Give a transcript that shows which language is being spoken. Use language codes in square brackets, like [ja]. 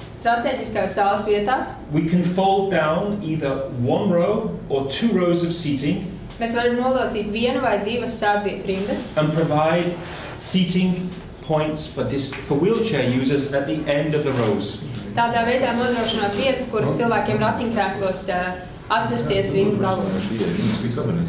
[lv] strategiskās sāles vietās, [en] we can fold down either one row or two rows of seating. [lv] Mēs varam nolocīt vienu vai divas sēdvietu rindas. [en] And provide seating points for wheelchair users at the end of the rows. [lv] Tādā veidā nodrošināt vietu, kur cilvēkiem ratiņkrēslos atrasties rindu galvas.